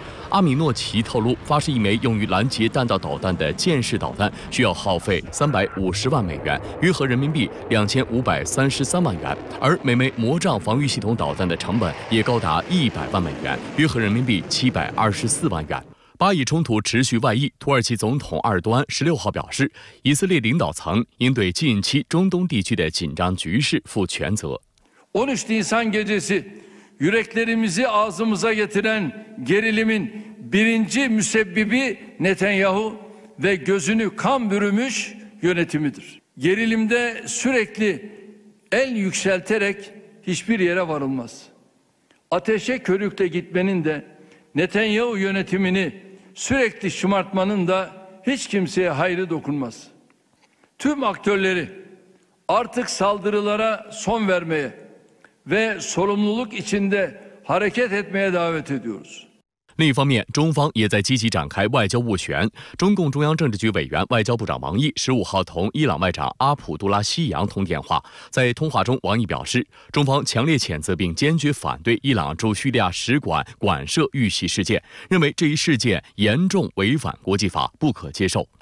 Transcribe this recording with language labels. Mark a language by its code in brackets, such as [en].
[zh] 阿米诺奇透露，发射一枚用于拦截弹道导弹的箭式导弹需要耗费350万美元，约合人民币2533万元，而每枚魔杖防御系统导弹的成本也高达100万美元，约合人民币724万元。巴以冲突持续外溢，土耳其总统埃尔多安16号表示，以色列领导层应对近期中东地区的紧张局势负全责。 [tr] 13 Nisan gecesi yüreklerimizi ağzımıza getiren gerilimin birinci müsebbibi Netanyahu ve gözünü kan bürümüş yönetimidir. Gerilimde sürekli el yükselterek hiçbir yere varılmaz. Ateşe körükle gitmenin de Netanyahu yönetimini sürekli şımartmanın da hiç kimseye hayrı dokunmaz. Tüm aktörleri artık saldırılara son vermeye ve sorumluluk içinde hareket etmeye davet ediyoruz. [zh] 另一方面，中方也在积极展开外交斡旋。中共中央政治局委员、外交部长王毅15号同伊朗外长阿卜杜拉西扬通电话。在通话中，王毅表示，中方强烈谴责并坚决反对伊朗驻叙利亚使馆馆舍遇袭事件，认为这一事件严重违反国际法，不可接受。